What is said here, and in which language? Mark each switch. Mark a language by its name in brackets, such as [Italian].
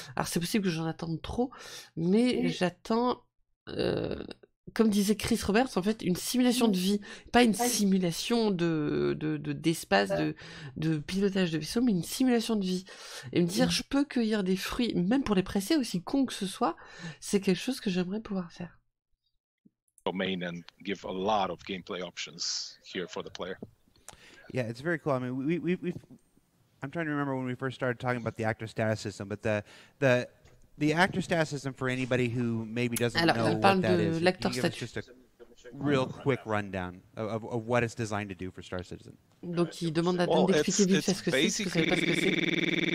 [French] Alors c'est possible que j'en attende trop, mais j'attends, comme disait Chris Roberts, en fait, une simulation de vie. Pas une simulation d'espace, de pilotage de vaisseau, mais une simulation de vie. Et me dire, je peux cueillir des fruits, même pour les presser, aussi con que ce soit, c'est quelque chose que j'aimerais pouvoir faire. [English] domain and give a lot of gameplay options here for the player. Yeah, it's very cool. I mean, I'm trying to remember when we first started talking about the actor status system, but the actor status system for anybody who maybe doesn't know what that is, can you give us just a real quick rundown of what it's designed to do for Star Citizen? [French] Donc, il demande à Dan d'expliquer vite fait ce que c'est, parce que c'est pas ce que c'est.